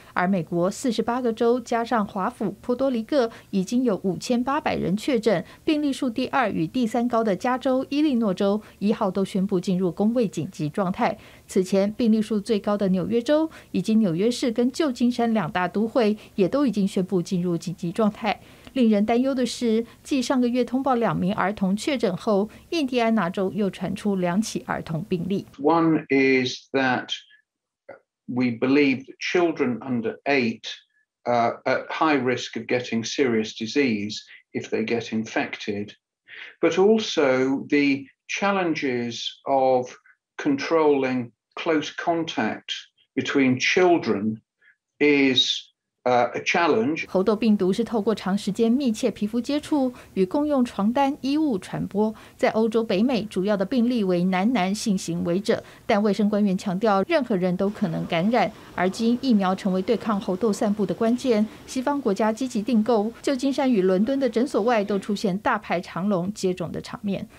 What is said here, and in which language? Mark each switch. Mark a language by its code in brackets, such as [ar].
[zh] 而美国48个州加上华府、波多黎各，已经有5800人确诊，病例数第二与第三高的加州、伊利诺州1号都宣布进入公卫紧急状态。此前病例数最高的纽约州，以及纽约市跟旧金山两大都会，也都已经宣布进入紧急状态。令人担忧的是，继上个月通报2名儿童确诊后，印第安纳州又传出2起儿童病例。 [en] One is that we believe children under 8 at high risk of getting serious disease if they get infected, but also the challenges of controlling close contact between children is. A challenge. [zh] 猴痘病毒是透过长时间密切皮肤接触与共用床单衣物传播，在欧洲、北美主要的病例为男性行为者，但卫生官员强调任何人都可能感染。而今疫苗成为对抗猴痘散布的关键，西方国家积极订购，旧金山与伦敦的诊所外都出现大排长龙接种的场面。